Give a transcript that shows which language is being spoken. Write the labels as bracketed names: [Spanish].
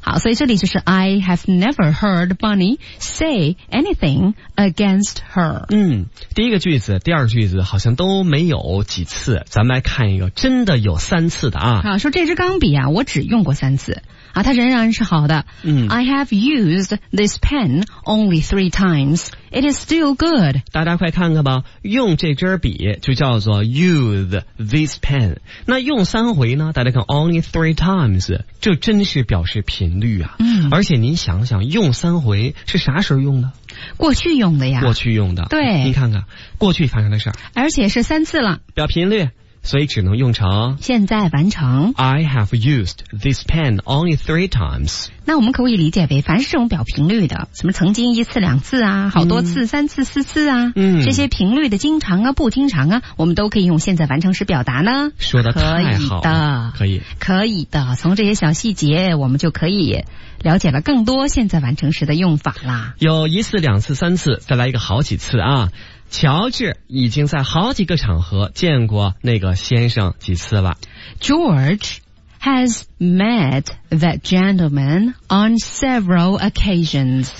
[Chinese] 好，所以这里就是 [English] I have never heard Bonnie say anything against her。 [Chinese] 第一个句子第二句子好像都没有几次，咱们来看一个真的有三次的啊。好，说这支钢笔啊我只用过三次啊，它仍然是好的。 [English] I have used this pen only three times. It is still good. [Chinese] 大家快看看吧，用这支笔就叫做 [English] use this pen。 [Chinese] 那用三回呢，大家看 [English] only three times， [Chinese] 这真是表示频率啊。而且您想想，用三回是啥时候用的？过去用的呀。过去用的。对。您看看过去发生的事儿，而且是三次了，表频率，所以只能用成现在完成。 [English] I have used this pen only three times。 [Chinese] 那我们可不可以理解为，凡是这种表频率的，什么曾经一次两次啊，好多次，三次四次啊，这些频率的经常啊不经常啊，我们都可以用现在完成时表达呢？说得太好了。可以的，可以可以的，从这些小细节我们就可以了解了更多现在完成时的用法啦。有一次两次三次，再来一个好几次啊。乔治已经在好几个场合见过那个先生几次了。 [English] George has met that gentleman on several occasions.